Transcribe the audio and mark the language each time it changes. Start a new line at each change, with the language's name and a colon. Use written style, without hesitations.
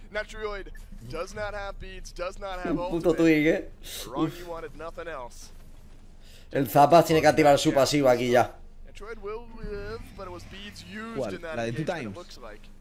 English: Netrioid does not have beads, does not have ultimate. Ronky wanted nothing else.
Spanish: El Zapas tiene que activar su pasivo aquí ya.
English: Netrioid will live, but it was beads used in that engagement, it looks like.